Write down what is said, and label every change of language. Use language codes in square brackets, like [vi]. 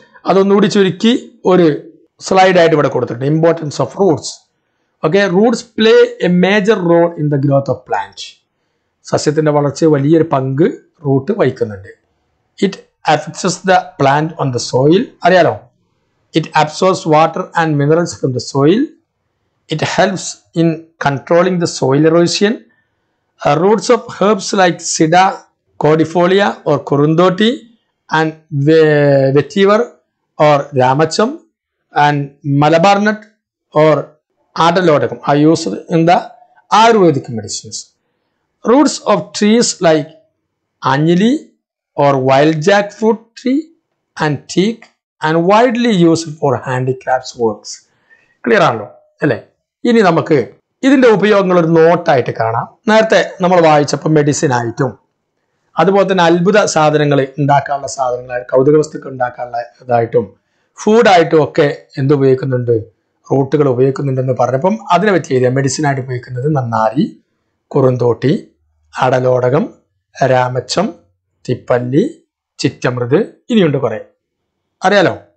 [ml] അതൊന്നുകൂടി ചുരുക്കി ഒരു സ്ലൈഡായിട്ട് ഇവിടെ കൊടുത്തിട്ടുണ്ട്, importance of Roots. [en] Okay, roots play a major role in the growth of plant. [ml] സസ്യത്തിൻ്റെ വളർച്ചയിൽ വലിയൊരു പങ്ക് റൂട്ട് വഹിക്കുന്നുണ്ട്. [en] it affects the plant on the soil, [ml] അറിയാലോ. [en] It absorbs water and minerals from the soil. It helps in controlling the soil erosion. Roots of herbs like Sida, Cordifolia or Kurundoti and Vetiver or Ramacham and Malabar nut or Adalodicum are used in the Ayurvedic medicines. Roots of trees like Anjali or wild jackfruit tree and teak and widely used for handicrafts works. [ml] Clear ആണല്ലോ അല്ലേ. ഇനി നമുക്ക് ഇതിൻ്റെ ഉപയോഗങ്ങൾ ഒരു നോട്ടായിട്ട് കാണാം. നേരത്തെ നമ്മൾ വായിച്ചപ്പോൾ മെഡിസിൻ ആയിട്ടും അതുപോലെ തന്നെ അത്ഭുത സാധനങ്ങൾ ഉണ്ടാക്കാനുള്ള സാധനങ്ങളായിട്ട്, കൗതുക വസ്തുക്കൾ ഉണ്ടാക്കാനുള്ള ഇതായിട്ടും, ഫുഡായിട്ടും ഒക്കെ എന്തുപയോഗിക്കുന്നുണ്ട്, റൂട്ടുകൾ ഉപയോഗിക്കുന്നുണ്ടെന്ന് പറഞ്ഞപ്പം അതിനെ പറ്റി എഴുതിയ മെഡിസിൻ ആയിട്ട് ഉപയോഗിക്കുന്നത് നന്നാരി, കുറുന്തോട്ടി, അടലോടകം, രാമച്ചം, തിപ്പല്ലി, ചിറ്റമൃത്, ഇനിയുണ്ട് കുറേ അറിയാലോ.